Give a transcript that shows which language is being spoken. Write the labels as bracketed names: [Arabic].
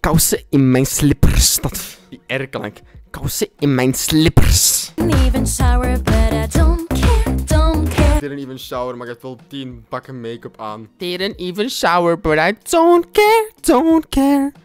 [Dutch] Kousen in mijn slippers, dat... Die R-klank. Kousen in mijn slippers. [English] Even shower, but I don't care. Didn't even shower, [Dutch] maar ik heb wel 10 bakken make-up aan. [English] Didn't even shower, but I don't care.